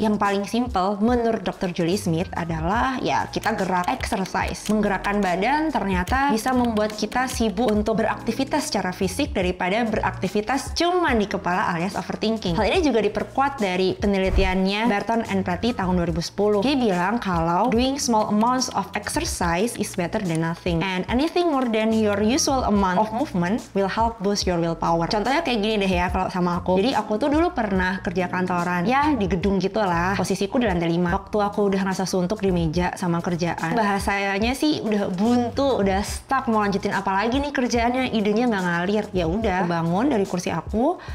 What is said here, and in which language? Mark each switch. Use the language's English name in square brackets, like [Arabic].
[Indonesian] Yang paling simple menurut Dr. Julie Smith adalah ya kita gerak, exercise. Menggerakkan badan ternyata bisa membuat kita sibuk untuk beraktivitas secara fisik daripada beraktivitas cuma di kepala alias overthinking. Hal ini juga diperkuat dari penelitiannya Barton and Pratty tahun 2010. Dia bilang kalau [English] doing small amounts of exercise is better than nothing. And anything more than your usual amount of movement will help boost your willpower. [Indonesian] Contohnya kayak gini deh ya kalau sama aku. Jadi aku tuh dulu pernah kerja kantoran. Ya di gedung gitu lah. Posisiku di lantai 5. Waktu aku udah ngerasa suntuk di meja sama kerjaan. Bahasanya sih udah buntu, udah stuck. Mau lanjutin apa lagi nih kerjaannya, idenya gak ngalir. Ya udah, bangun dari kursi aku.